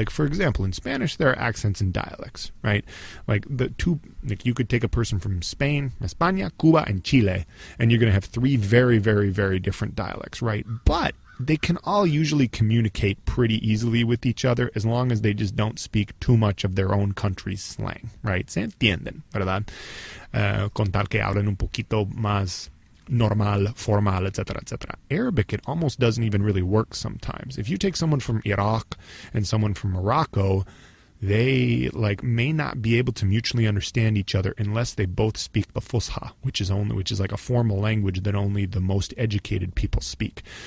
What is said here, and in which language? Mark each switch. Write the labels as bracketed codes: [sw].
[en] Like, for example, in Spanish, there are accents and dialects, right? You could take a person from Spain, España, Cuba, and Chile, and you're going to have three very, very, very different dialects, right? But they can all usually communicate pretty easily with each other as long as they just don't speak too much of their own country's slang, right? [es] Se entienden, ¿verdad? Con tal que hablen un poquito más normal, formal, etc., etc. [en] Arabic, it almost doesn't even really work sometimes. If you take someone from Iraq and someone from Morocco, they, like, may not be able to mutually understand each other unless they both speak the Fusha, which is like a formal language that only the most educated people speak.